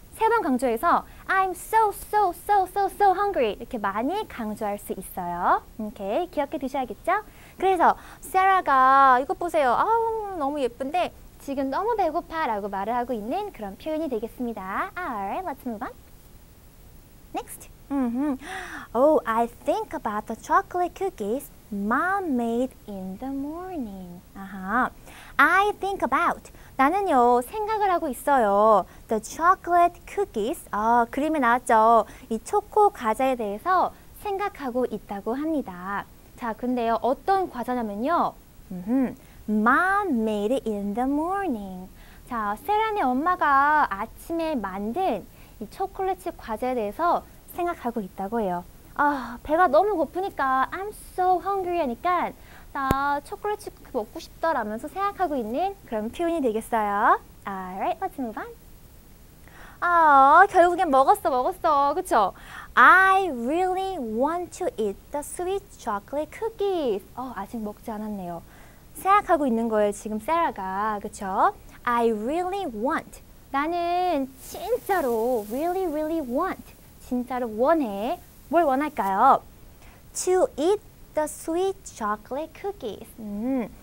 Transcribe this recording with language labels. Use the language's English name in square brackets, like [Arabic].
[Korean] 세 번 강조해서 [English] I'm so so so so so hungry. [Korean] 이렇게 많이 강조할 수 있어요. 오케이, 기억해 두셔야겠죠? 그래서 세라가 이것 보세요. 아우, 너무 예쁜데 지금 너무 배고파라고 말을 하고 있는 그런 표현이 되겠습니다. [English] Alright, let's move on. Next. Oh, I think about the chocolate cookies mom made in the morning. I think about. [Korean] 나는요, 생각을 하고 있어요. [English] The chocolate cookies. [Korean] 아, 그림에 나왔죠. 이 초코 과자에 대해서 생각하고 있다고 합니다. 자, 근데요, 어떤 과자냐면요. [English] Mom made it in the morning. [Korean] 자, 세란의 엄마가 아침에 만든 이 초콜릿 과자에 대해서 생각하고 있다고 해요. 아, 배가 너무 고프니까 [English] I'm so hungry [Korean] 하니까 나 초콜릿 쿠키 먹고 싶더라면서 생각하고 있는 그런 표현이 되겠어요. [English] Alright, let's move on. [Korean] 아, 결국엔 먹었어, 먹었어. 그쵸? [English] I really want to eat the sweet chocolate cookies. [Korean] 아직 먹지 않았네요. 생각하고 있는 거예요, 지금 세라가. [English] 그쵸? I really want. [Korean] 나는 진짜로 [English] really, really want. [Korean] 진짜로 원해. 뭘 원할까요? [English] To eat the sweet chocolate cookies.